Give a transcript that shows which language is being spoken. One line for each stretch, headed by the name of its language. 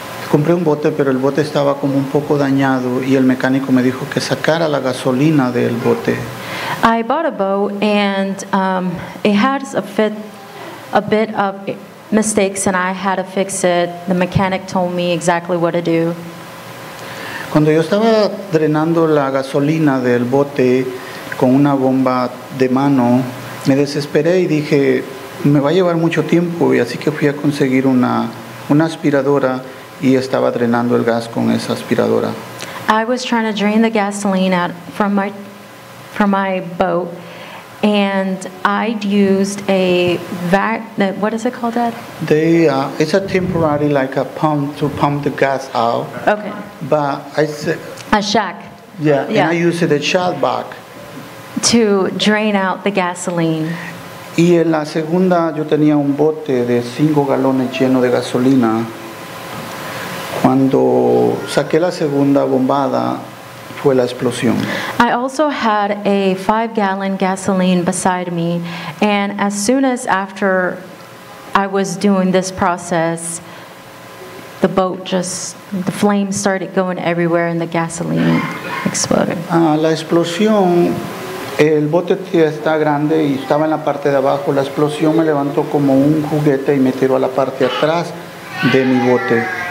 Spanish: Compré un bote, pero el bote estaba como un poco dañado y el mecánico me dijo que sacara la gasolina del bote.
English: I bought a boat and it had a bit of mistakes and I had to fix it. The mechanic told me exactly what to do.
Spanish: Cuando yo estaba drenando la gasolina del bote con una bomba de mano, me desesperé y dije, me va a llevar mucho tiempo y así que fui a conseguir una aspiradora. Y estaba drenando el gas con esa aspiradora.
English: I was trying to drain the gasoline out from my boat, and I'd used a vac. What is it called, Dad? It's a temporary, like a pump to pump the gas out. Okay. But I said a shack. Yeah. And I used the shack back to drain out the gasoline.
Spanish: Y en la segunda yo tenía un bote de 5 gallons lleno de gasolina. Cuando saqué la segunda bombada, fue la explosión.
English: I also had a 5-gallon gasoline beside me, and as soon as after I was doing this process, the flames started going everywhere and the gasoline exploded.
Spanish: La explosión El bote está grande y estaba en la parte de abajo. La explosión me levantó como un juguete y me tiró a la parte atrás de mi bote.